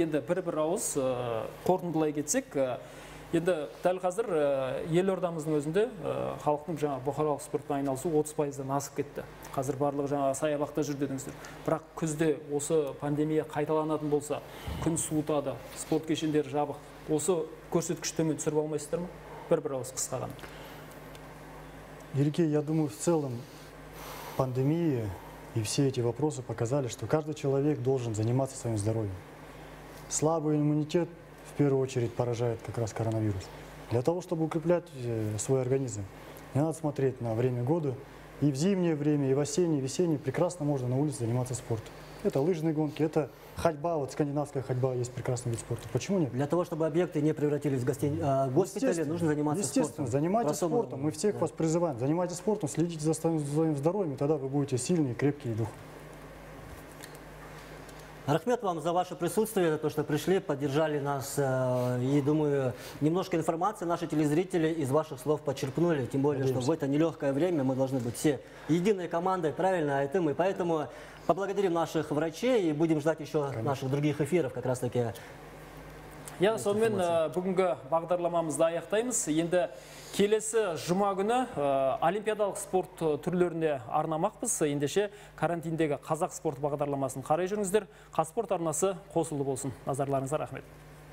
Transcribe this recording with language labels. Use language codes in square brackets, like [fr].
[kk] Енді бір-бір ауыз қорытындылай кетсек. Енді дәл қазір елордамыздың өзінде халықтың жаңа бұқаралық спортпен айналысу 30%-дан асып кетті. Қазір барлығы жаңа саябақта жүр дедіңіздер. Бірақ күзде осы пандемия қайталанатын болса, күн суытады, спорт кешендері жабық. Осы көрсеткіш төмен түсіріп алмайсыздар ма? Бір-бір ауыз қысқаған. [ru] Ерке, я думаю, в целом пандемия и все эти вопросы показали, что каждый человек должен заниматься своим здоровьем. Слабый иммунитет в первую очередь поражает как раз коронавирус. Для того, чтобы укреплять свой организм, не надо смотреть на время года. И в зимнее время, и в осеннее, и в весеннее прекрасно можно на улице заниматься спортом. Это лыжные гонки, это ходьба, вот скандинавская ходьба есть прекрасный вид спорта. Почему нет? Для того, чтобы объекты не превратились в госпитали, нужно заниматься спортом. Естественно, занимайтесь спортом. Мы всех вас призываем. Занимайтесь спортом, следите за своим здоровьем, и тогда вы будете сильный, крепкий дух. Рахмет вам за ваше присутствие, за то, что пришли, поддержали нас. И, думаю, немножко информации наши телезрители из ваших слов почерпнули. Тем более, что в это нелегкое время мы должны быть все единой командой, правильно, а это мы. Поэтому поблагодарим наших врачей и будем ждать еще наших других эфиров как раз-таки. [kk] Я сонымен бүгінгі бағдарламамызды аяқтаймыз. Енді келесі жұма күні олимпиадалық спорт түрлеріне арнамақпыз. Ендеше карантиндегі қазақ спорт бағдарламасын қарай жүріңіздер. Қазспорт арнасы қосылды болсын. Назарларыңызға рахмет.